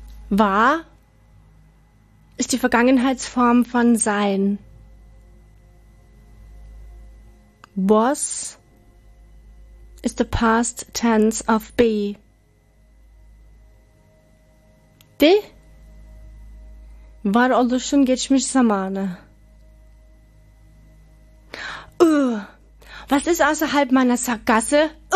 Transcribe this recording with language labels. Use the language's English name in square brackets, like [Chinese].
[German] War ist die Vergangenheitsform von sein. Was ist [English] the past tense of be. [Turkish] De war oluşun geçmiş zamanı. [German] Was ist außerhalb meiner Sackgasse?